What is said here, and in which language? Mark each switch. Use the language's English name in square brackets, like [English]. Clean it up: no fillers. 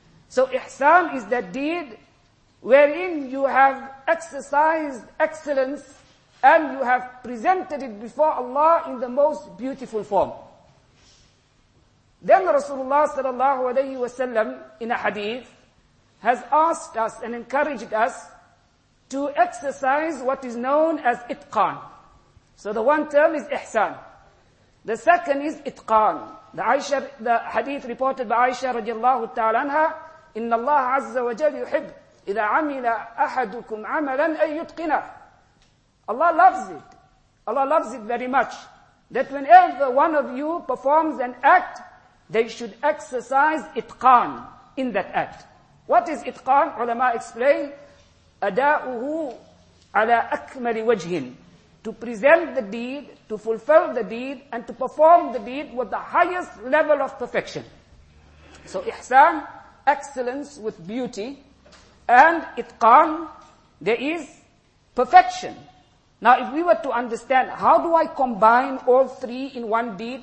[English] So ihsan is that deed wherein you have exercised excellence and you have presented it before Allah in the most beautiful form. Then Rasulullah sallallahu alayhi wa sallam in a hadith has asked us and encouraged us to exercise what is known as itqan. So the one term is ihsan. The second is itqan. The hadith reported by Aisha radiallahu ta'ala anha, [Arabic] إِنَّ اللَّهَ عَزَّ وَجَلْ يُحِبُّ إِذَا عَمِلَ أَحَدُكُمْ عَمَلًا أَن يُتْقِنَ. [English] Allah loves it. Allah loves it very much. That whenever one of you performs an act, they should exercise itqan in that act. What is itqan? Ulama explain, [Arabic] أداؤه على أكمل وجه. [English] To present the deed, to fulfill the deed, and to perform the deed with the highest level of perfection. So ihsan, excellence with beauty, and itqan, there is perfection. Now if we were to understand, how do I combine all three in one deed?